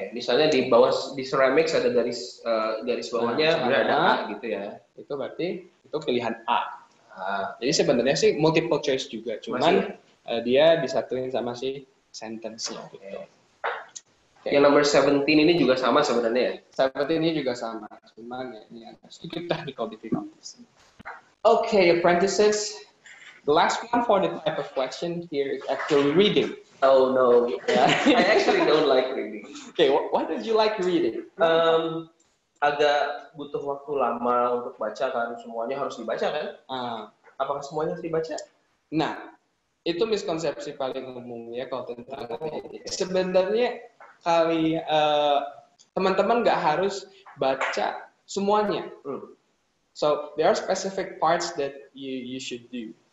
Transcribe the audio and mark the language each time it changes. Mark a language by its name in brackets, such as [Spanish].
[Indonesian] Misalnya di bawah di ceramics ada garis garis bawahnya nah, ada A gitu ya. Itu berarti itu pilihan A. Ah. Jadi sebenarnya sih multiple choice juga, cuman dia disatuin sama si sentence-nya gitu. Okay. Yang nomor 17 ini juga sama sebenarnya ya. 17 ini juga sama, cuman ya, ini ada sedikit [English] technical difficulties. Okay, apprentices, the last one for the type of question here is actually reading. Oh no, yeah. I actually don't like reading. Okay, why did you like reading? [Indonesian] Agak butuh waktu lama untuk baca kan, semuanya harus dibaca kan? Apakah semuanya harus dibaca? Nah, itu miskonsepsi paling umum ya kalau tentang sebenarnya kali teman-teman nggak harus baca semuanya. [English] So there are specific parts that you should do.